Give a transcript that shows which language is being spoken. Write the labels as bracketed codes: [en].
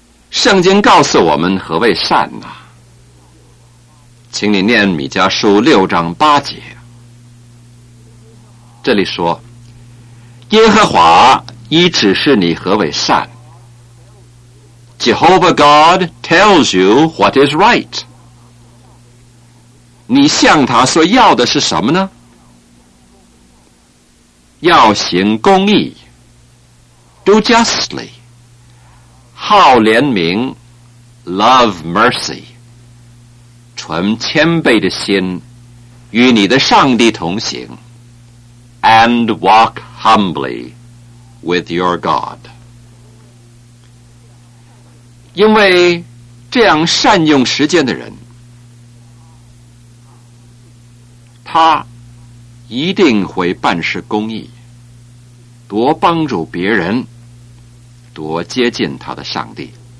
[zh] 圣经告诉我们何为善呢？请你念米迦书六章八节，这里说，耶和华已指示你何为善。 [en] Jehovah God tells you what is right. [zh] 你向他所要的是什么呢？要行公义， [en] Do justly. [zh] 好怜悯， [en] Love mercy. [zh] 存谦卑的心，与你的上帝同行， [en] And walk humbly with your God. [zh] 因为这样善用时间的人，他一定会办事公义，多帮助别人，多接近他的上帝。